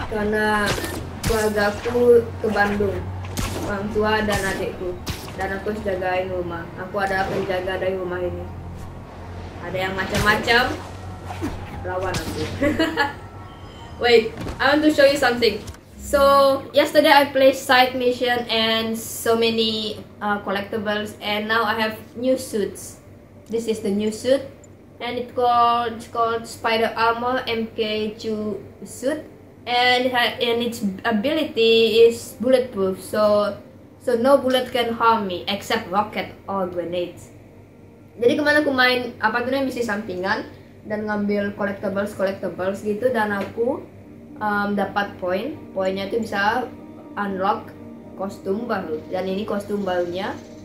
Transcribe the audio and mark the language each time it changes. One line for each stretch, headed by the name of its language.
Indonesian: Karena keluargaku ke Bandung, orang tua dan adikku, dan aku harus jagain rumah. Aku ada penjaga dari rumah ini. Ada yang macam-macam lawan aku.
English: Wait, I want to show you something. So yesterday I played side mission and so many collectibles, and now I have new suits. This is the new suit. And it's called Spider Armor MK2 suit, and its ability is bulletproof, so no bullet can harm me except rocket or grenades.
Indonesian: Jadi kemarin aku main apa tuh misi sampingan dan ngambil collectibles gitu, dan aku dapat poinnya tuh bisa unlock kostum baru, dan ini kostum barunya.